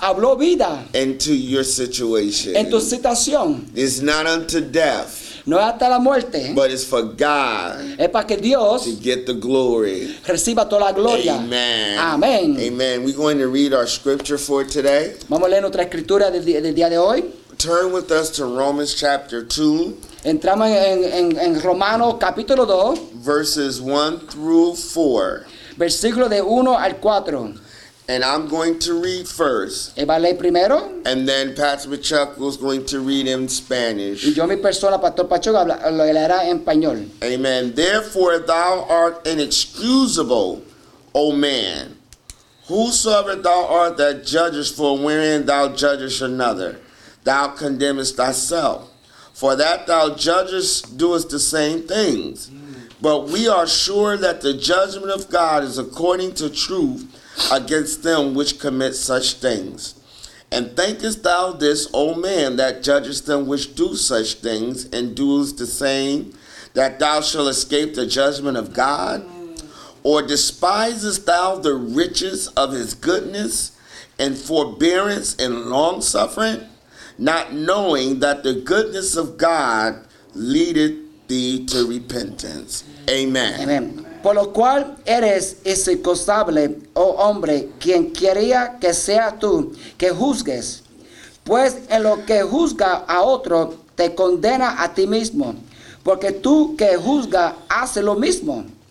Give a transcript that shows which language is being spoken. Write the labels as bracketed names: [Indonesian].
[Spanish] Habló vida. [English] Into your situation. [Spanish] En tu situación. [English] It's not unto death. [Spanish] No es hasta la muerte. [English] But it's for God. [Spanish] Es para que Dios. [English] To get the glory. [Spanish] Reciba toda la gloria. [English] Amen. Amen. Amen. We're going to read our scripture for today. [Spanish] Vamos a leer nuestra escritura del día de hoy. [English] Turn with us to Romans chapter 2. [Spanish] Entramos en Romanos capítulo 2. [English] Verses 1 through 4. [Spanish] Versículo de 1 al 4. [English] And I'm going to read first. [Spanish] Y va a leer primero. [English] And then Pastor Chuck was going to read in Spanish. [Spanish] Y yo mi persona, Pastor Pacho, lo leerá en español. [English] Amen. Therefore thou art inexcusable, O man, whosoever thou art that judgest, for wherein thou judgest another, thou condemnest thyself. For that thou judgest doest the same things. But we are sure that the judgment of God is according to truth against them which commit such things. And thinkest thou this, O man, that judgest them which do such things and doest the same, that thou shalt escape the judgment of God? Or despisest thou the riches of his goodness and forbearance and longsuffering, not knowing that the goodness of God leadeth thee to repentance? Amen. Amen. [Spanish] Por lo cual eres inexcusable, oh hombre, quien quería que sea tú que juzgues. Pues en lo que juzga a otro, te condena a ti mismo, porque tú que juzga, haces lo mismo.